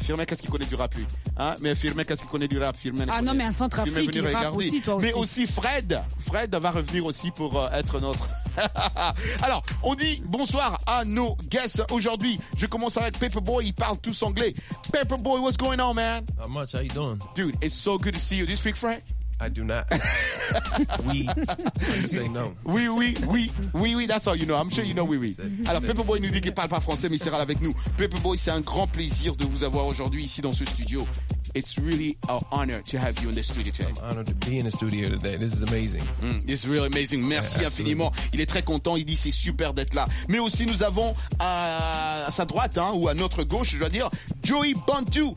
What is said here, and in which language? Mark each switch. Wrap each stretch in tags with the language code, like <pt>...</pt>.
<fr>Firmin, qu'est-ce qu'il connaît du rap, lui? Hein? Mais Firmin, qu'est-ce qu'il connaît du rap? Firmin, ah non, mais un centre africain. Firmin est venu regarder. Mais aussi Fred. Fred va revenir aussi pour être notre. Alors, on dit bonsoir à nos guests aujourd'hui. Je commence avec Paperboy, ils parlent tous anglais.</fr> <en>Paperboy, what's going on, man? Not much, how you doing? Dude, it's so good to see you. Do you speak French? I do not. Oui, that's all you know. I'm sure you know oui.</en> <fr>Alors, Paperboy nous dit qu'il parle pas français, mais il sera là avec nous. Paperboy, c'est un grand plaisir de vous avoir aujourd'hui ici dans ce studio.</fr> <en>It's really an honor to have you in the studio today. I'm honored to be in the studio today. This is amazing. It's really amazing.</en> <fr>Merci infiniment. Il est très content. Il dit c'est super d'être là. Mais aussi, nous avons à sa droite, hein, ou à notre gauche, je dois dire, Joey Bantu.</fr>